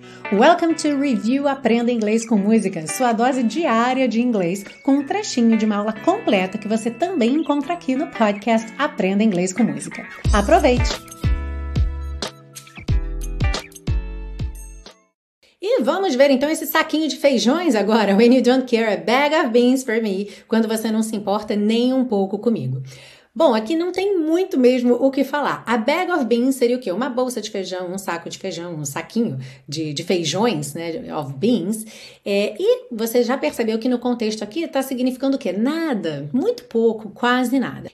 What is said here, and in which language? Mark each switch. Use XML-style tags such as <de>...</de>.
<en>Welcome to</en> <pt>Review Aprenda Inglês com Música, sua dose diária de inglês com um trechinho de uma aula completa que você também encontra aqui no podcast Aprenda Inglês com Música. Aproveite! E vamos ver então esse saquinho de feijões agora.</pt> <en>When you don't care, a bag of beans for me.</en> <pt>Quando você não se importa nem um pouco comigo. Bom, aqui não tem muito mesmo o que falar. A bag of beans seria o quê? Uma bolsa de feijão, um saco de feijão, um saquinho de feijões, né? Of beans. E você já percebeu que no contexto aqui está significando o quê? Nada. Muito pouco. Quase nada.</pt>